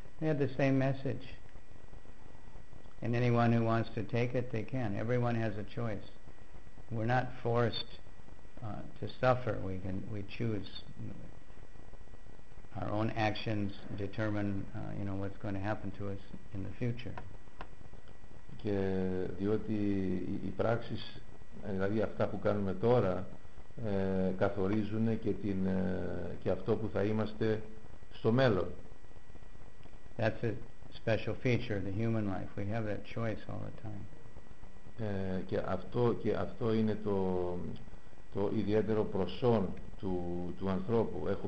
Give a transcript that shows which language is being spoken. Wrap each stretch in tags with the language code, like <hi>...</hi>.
<en>They have the same message. And anyone who wants to take it, they can. Everyone has a choice. We're not forced to suffer. We choose. Our own actions determine, what's going to happen to us in the future.</en> <el>Και διότι οι πράξεις, δηλαδή αυτά που κάνουμε τώρα, καθορίζουν και αυτό που θα είμαστε στο μέλλον.</el> <en>That's a special feature of the human life. We have that choice all the time.</en> <el>Και αυτό είναι το ιδιαίτερο προσόν του ανθρώπου.</el>